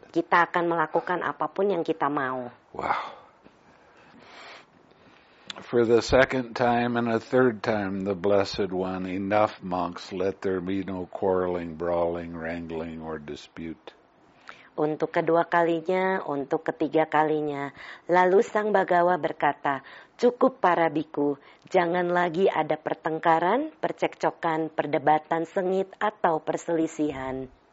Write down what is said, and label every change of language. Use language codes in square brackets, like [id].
[id] Kita akan melakukan apapun yang kita mau. Wow. [en] For the second time and a third time, the Blessed One, "Enough, monks, let there be no quarreling, brawling, wrangling, or dispute." [id] Untuk kedua kalinya, untuk ketiga kalinya, lalu Sang Bhagava berkata, "Cukup para bhikkhu, jangan lagi ada pertengkaran, percekcokan, perdebatan sengit, atau perselisihan."